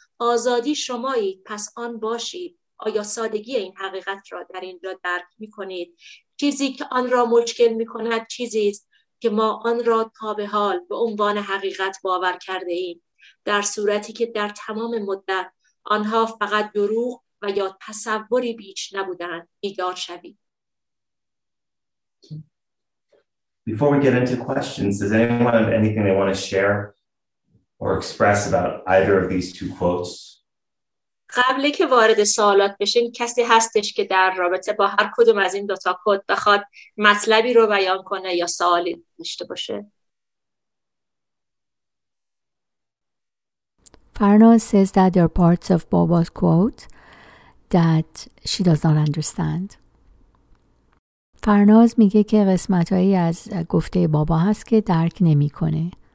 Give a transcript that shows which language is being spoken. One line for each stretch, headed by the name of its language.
Persian: آزادی شمایید، پس آن باشید. آیا سادگی این حقیقت را در اینجا درک می کنید؟ چیزی که آن را مشکل می کند چیزی است که ما آن را تا به حال به عنوان حقیقت باور کرده ایم، در صورتی که در تمام مدت آنها فقط دروغ و یا تصوری بیش نبودند. بیدار شوید.
English: Before we get into questions, does anyone have anything they want to share or express about either of these two quotes?
Persian: قبل که وارد سوالات بشیم، کسی هستش که در رابطه با هر کدوم از این دو تا کد بخواد مطلبی رو بیان کنه یا سوالی داشته باشه؟
English: Farnaz says that there are parts of Baba's quote that she does not understand.
Persian: Farnaz میگه که قسمتایی از گفته بابا هست که درک نمی‌کنه.